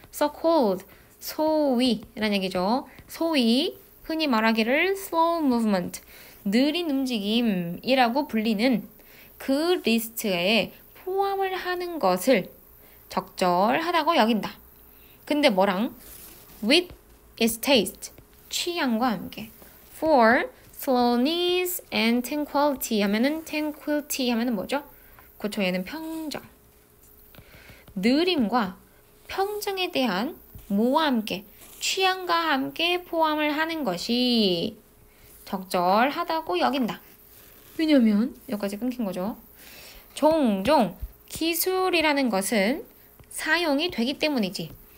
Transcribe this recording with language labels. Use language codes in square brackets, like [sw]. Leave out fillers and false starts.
[en] so called, [ko] 소위라는 얘기죠. 소위, 흔히 말하기를 [en] slow movement, [ko] 느린 움직임이라고 불리는 그 리스트에 포함을 하는 것을 적절하다고 여긴다. 근데 뭐랑? [en] With its taste, [ko] 취향과 함께. [en] For slowness and tranquility 하면은, tranquility [ko] 하면은 뭐죠? 그쵸, 얘는 평정. 느림과 평정에 대한 모와 함께, 취향과 함께 포함을 하는 것이 적절하다고 여긴다. 왜냐면 여기까지 끊긴 거죠. 종종 기술이라는 것은 사용이 되기 때문이지.